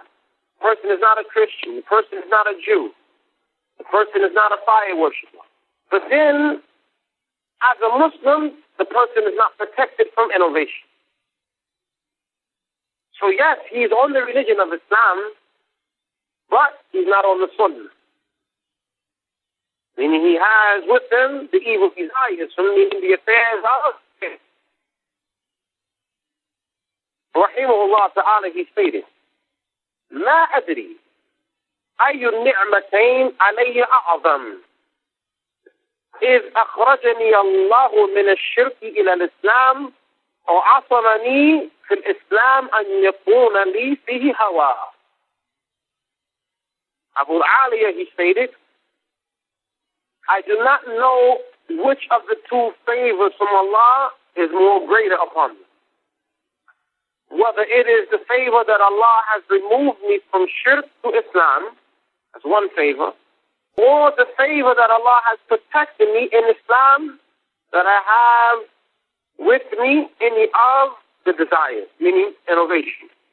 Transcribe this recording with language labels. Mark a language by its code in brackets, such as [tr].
[en] A person is not a Christian. A person is not a Jew. A person is not a fire worshiper. But then, as a Muslim, the person is not protected from innovation. So yes, he's on the religion of Islam, but he's not on the Sunnah. Meaning he has with him the evil desires from the affairs of Rahimahullah ta'ala, he stated, [ar] ما أدري أي النعمتين علي أعظم إذ أخرجني الله من الشرك إلى الإسلام وعصمني في الإسلام أن يكون لي فيه هوى. [en] Abu Aliya, he stated, I do not know which of the two favors from Allah is more greater upon me. Whether it is the favor that Allah has removed me from shirk to Islam, that's one favor, or the favor that Allah has protected me in Islam, that I have with me any of the desires, meaning innovation.